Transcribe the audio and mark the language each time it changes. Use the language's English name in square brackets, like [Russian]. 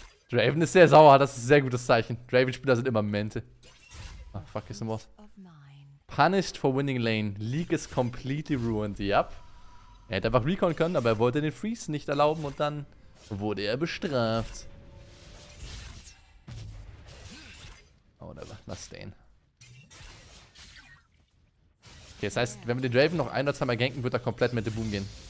[German] Draven ist sehr sauer, das ist ein sehr gutes Zeichen. Draven-Spieler sind immer Mente. Ah, oh, fuck, ist ein Boss. [English] Punished for winning lane. League is completely ruined. Yup. [German] Er hätte einfach recon können, aber er wollte den Freeze nicht erlauben und dann wurde er bestraft. [English] Oh, whatever. [German] Lass stehen. Okay, das heißt, wenn wir den Draven noch ein oder zweimal ganken, wird er komplett mit dem Boom gehen.